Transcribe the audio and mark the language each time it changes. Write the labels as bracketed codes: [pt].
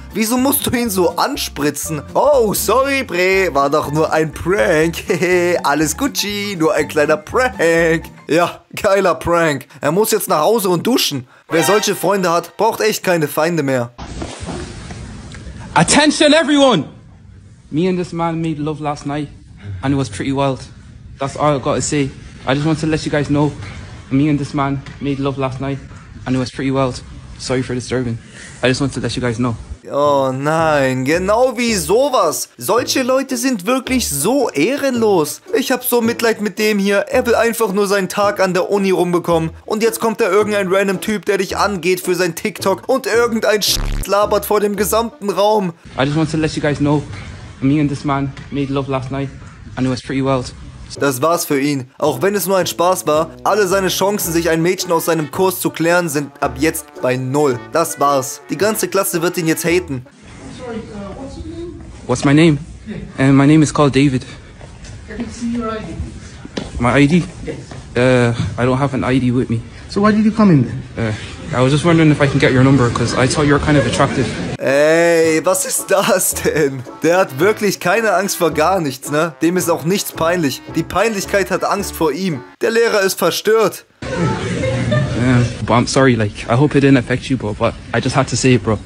[de] Wieso musst du ihn so anspritzen? Oh, sorry, Bre, war doch nur ein Prank. Hehe, alles Gucci, nur ein kleiner Prank. Ja, geiler Prank. Er muss jetzt nach Hause und duschen. Wer solche Freunde hat, braucht echt keine Feinde mehr. [en] Attention, everyone. Me and this man made love last night. And it was pretty wild. That's all I gotta say. I just want to let you guys know, me and this man made love last night and it was pretty wild. Sorry for disturbing. I just want to let you guys know. [de] Oh nein, genau wie sowas. Solche Leute sind wirklich so ehrenlos. Ich hab so Mitleid mit dem hier. Er will einfach nur seinen Tag an der Uni rumbekommen. Und jetzt kommt da irgendein random Typ, der dich angeht für sein TikTok und irgendein Sch*** labert vor dem gesamten Raum. [en] I just want to let you guys know, Me and this man made love last night and it was pretty wild. [de] Das war's für ihn. Auch wenn es nur ein Spaß war, alle seine Chancen, sich ein Mädchen aus seinem Kurs zu klären, sind ab jetzt bei null. Das war's. Die ganze Klasse wird ihn jetzt haten. [en] Sorry, what's your name? What's my name? Yeah. My name is called David. Can I see your ID? My ID? Yes. I don't have an ID with me. So why did you come in then? I was just wondering if I can get your number, because I thought you were kind of attractive. [de] Ey, was ist das denn? Der hat wirklich keine Angst vor gar nichts, ne? Dem ist auch nichts peinlich. Die Peinlichkeit hat Angst vor ihm. Der Lehrer ist verstört. [en] Yeah, but I'm sorry, like, I hope it didn't affect you, bro. But I just had to say it, bro.